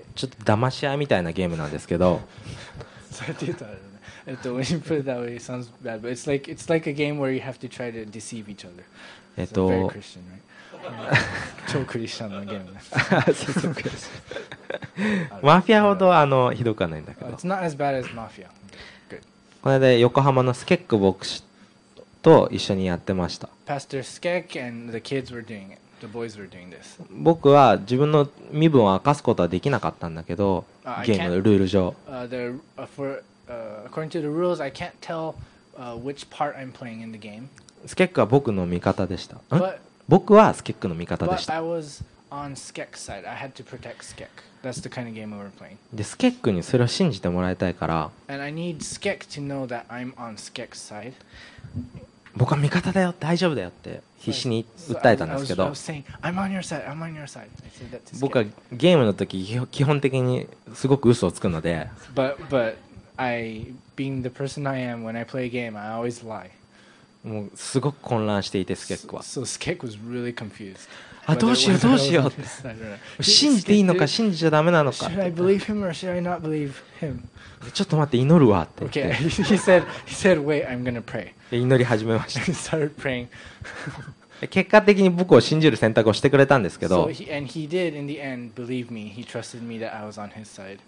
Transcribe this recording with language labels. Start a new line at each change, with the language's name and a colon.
Japanese: と騙し合いみたいなゲームなんですけど、そうやって言うとあれだね。
English: when you put it that way, it sounds bad. But it's like a game where you have to try to deceive each other. It's very Christian, right?
Japanese: 超クリスチャンのゲームです。マフィアほどあのひどくはないんだけど。
English: It's not as bad as mafia.
Japanese: これで横浜のスケック牧師と一緒にやってました。
English: Pastor Skek and the kids were doing it. The boys were doing this.
Japanese: 僕は自分の身分を明かすことはできなかったんだけど、ゲームのルール上。
English: According to the rules, I can't tell which part I'm playing in the game.
Japanese: スケックは僕の味方でした。僕はスケックの味方でした。
English: But I was on Skek's side. I had to protect Skek. That's the kind of game we were playing.
Japanese: で、スケックにそれを信じてもらいたいから。
English: And I need Skek to know that I'm on Skek's side.
Japanese: 僕は味方だよ、大丈夫だよって必死に訴えたんですけど。
English: I'm on your side. I'm on your side. I said that to Skek.
Japanese: 僕はゲームの時基本的にすごく嘘をつくので。
English: But I, being the person I am, when I play a game, I always lie.
Japanese: もうすごく混乱していてスケックは。
English: So Skek was really confused.
Japanese: あどうしようどうしよう。信じていいのか信じちゃダメなのか。
English: Should I believe him or should I not believe him?
Japanese: ちょっと待って祈るわって言って。
English: Okay, he said, wait, I'm gonna pray.
Japanese: 祈り始めました。
English: Started praying.
Japanese: 結果的に僕を信じる選択をしてくれたんですけど。
English: And he did in the end believe me. He trusted me that I was on his side.